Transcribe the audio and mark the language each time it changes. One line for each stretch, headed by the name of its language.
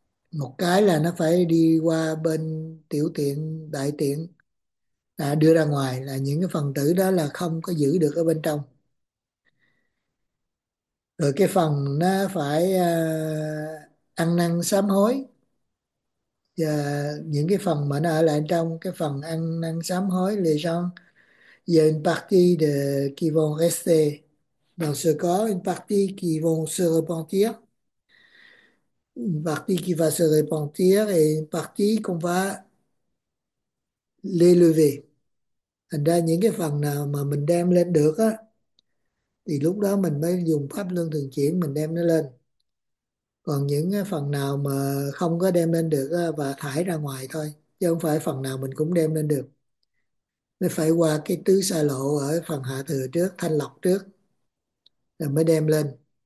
Vietnamese: Một cái là nó phải đi qua bên tiểu tiện, đại tiện, là đưa ra ngoài, là những cái phần tử đó là không có giữ được ở bên trong. Rồi cái phần nó phải ăn năn sám hối. Và những cái phần mà nó ở lại trong, cái phần ăn năn sám hối,
French: les gens, il y a une partie qui vont rester dans ce corps, une partie qui vont se repentir, une partie qui va se repentir et une partie qu'on va l'élever.
Vietnamese: Thành ra những cái phần nào mà mình đem lên được á, thì lúc đó mình mới dùng pháp luân thường chuyển mình đem nó lên. Còn những cái phần nào mà không có đem lên được á, và thải ra ngoài thôi, chứ không phải phần nào mình cũng đem lên được. Nó phải qua cái tứ xa lộ ở phần hạ thừa trước, thanh lọc trước, rồi mới đem lên.